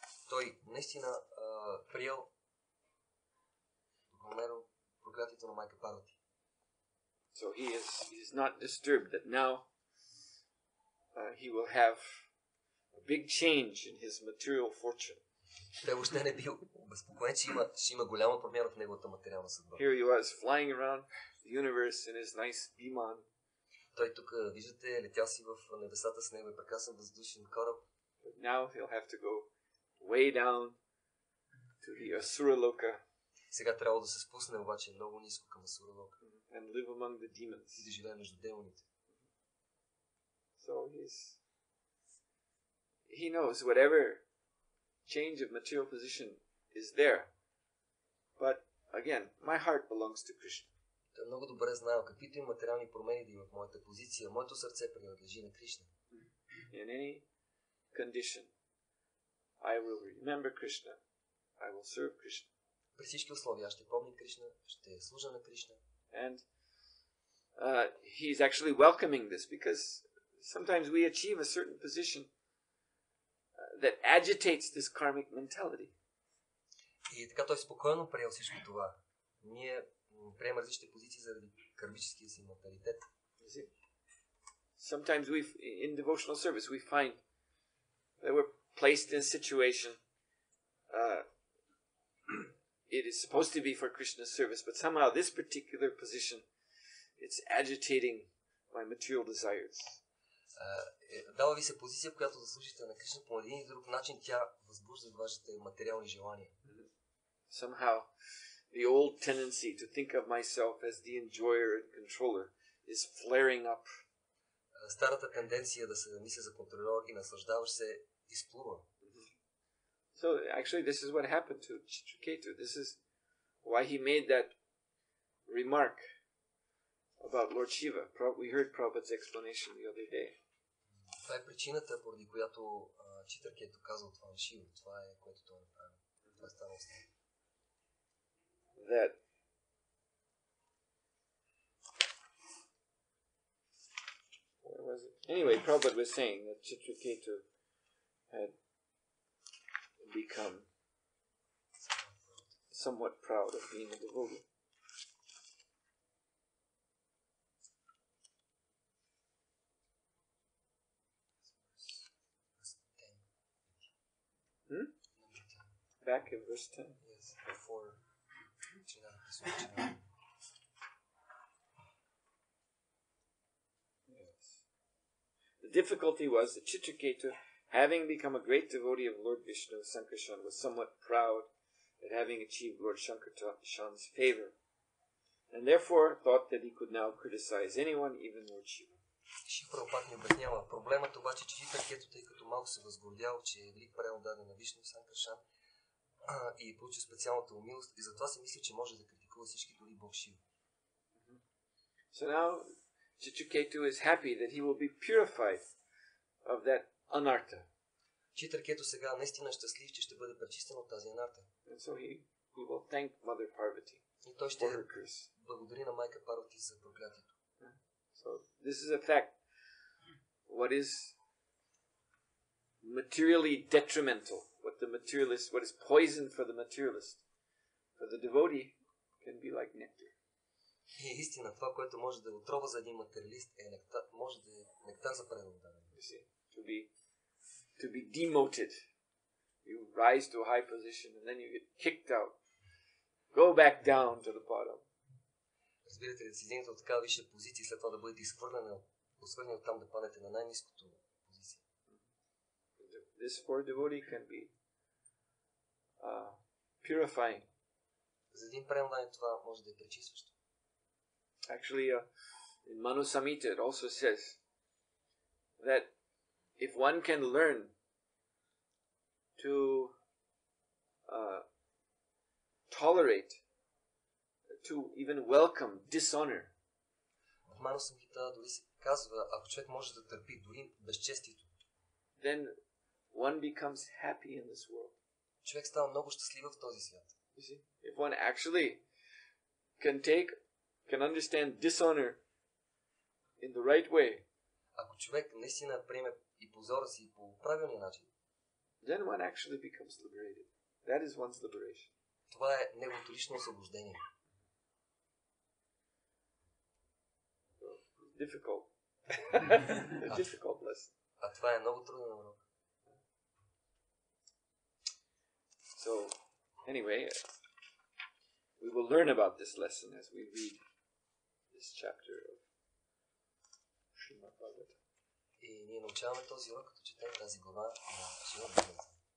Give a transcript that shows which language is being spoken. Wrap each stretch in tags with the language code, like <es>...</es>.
<bg>Той наистина приел благомерно проклятието на майка Парвати.</bg> <en>So he is not disturbed that now he will have big change in his material fortune.</en> <bg>Той въобще не бил безпокоен, че има голяма промяна в неговата материална съдба.</bg> <en>Here he was flying around the universe in his nice Biman.</en> <bg>Той тук, виждате, летял си в небесата с него и прекрасен въздушен кораб.</bg> <en>But now he'll have to go way down to the Asura Loka.</en> <bg>Сега трябва да се спусне обаче много ниско към Асура Лока.</bg> <en>And live among the demons.</en> <bg>И да живее между демоните.</bg> <en>So he knows whatever change of material position is there. But again, my heart belongs to Krishna.</en> <bg>Той много добре знае, каквито и материални промени да има в моята позиция, моето сърце принадлежи на Кришна.</bg> <en>In any condition, I will remember Krishna. I will serve Krishna.</en> <bg>При всички условия, ще помня Кришна, ще служа на Кришна.</bg> <en>And he is actually welcoming this because sometimes we achieve a certain position that agitates this karmic mentality.</en> <bg>И така той спокойно приел всичко това. Ние приемаме различни позиции заради кармическия си менталитет.</bg> <en>sometimes we in devotional service we find that we're placed in a situation it is supposed to be for Krishna's service, but somehow this particular position, it's agitating my material desires.</en> <bg>Дава ви се позиция, в която да служите на Кришна по един или друг начин, тя възбужда вашите материални желания.</bg> <en>Somehow, the old tendency to think of myself as the enjoyer and controller is flaring up.</en> <bg>Старата тенденция да се мисля за контролер и наслаждаващ се изплува.</bg> <en>So actually this is what happened to Chitraketu. This is why he made that remark about Lord Shiva. We heard Prabhupada's explanation the other day.</en> <bg>Това е причината, поради която Читракето казал това на Шива. Това е което той направи. Това е станало с него.</bg> <en>That where was it? Anyway, Prabhupada was saying that Chitraketu had become somewhat proud of being a devotee. Back in verse 10? Yes, before reaching out this one. Yes. The difficulty was that Chitraketu, having become a great devotee of Lord Vishnu, Sankarshan, was somewhat proud at having achieved Lord Sankarshan's favor, and therefore thought that he could now criticize anyone, even Lord Shiva.</en> <bg>Шив Прабхупад не обяснява. Проблемът обаче, че Читракето, тъй като малко се възгордял, че е лик правил даден на Вишну Санкаршан и получи специалната умилост, и затова си мисли, че може да критикува всички, дори Бог Шива.</bg> <en>So now Читракето is happy that he will be purified of that anartha.</en> <bg>Читракето сега наистина щастлив, че ще бъде пречистен от тази анарта.</bg> <en>And so he will thank Mother Parvati.</en> <bg>И той ще благодари на майка Парвати за проклятието.</bg> <en>So this is a fact. What is materially detrimental, what is poison for the materialist, for the devotee, can be like nectar.</en> <bg>И истина, това, което може да отрова за един материалист, е нектар, може да е нектар за преданата.</bg> <en>You see, to be demoted, you rise to a high position and then you get kicked out, go back down to the bottom.</en> <bg>Разбирате ли, да си взимате от такава висша позиция, след това да бъдете изхвърлени от там, да падете на най-ниското позиция.</bg> <en>This poor devotee can be purifying.</en> <bg>За един преданник това може да е пречистващо.</bg> <en>Actually, in Manu Samhita it also says that if one can learn to tolerate, to even welcome dishonor.</en> <bg>Ману Самхита дори се казва, ако човек може да търпи дори безчестието,</bg> <en>then one becomes happy in this world.</en> <bg>Човек става много щастлив в този свят.</bg> <en>You see? If one actually can understand dishonor in the right way,</en> <bg>ако човек наистина приеме и позора си по правилния начин,</bg> <en>then one actually becomes liberated. That is one's liberation.</en> <bg>Това е неговото лично освобождение.</bg> <en>Difficult. A difficult lesson.</en> <bg>А това е много труден урок.</bg> <en>So, anyway, we will learn about this lesson as we read this chapter of Srimad Bhagavatam.</en> <bg>И ние научаваме този урок, като четем тази глава на Srimad Bhagavatam.</bg>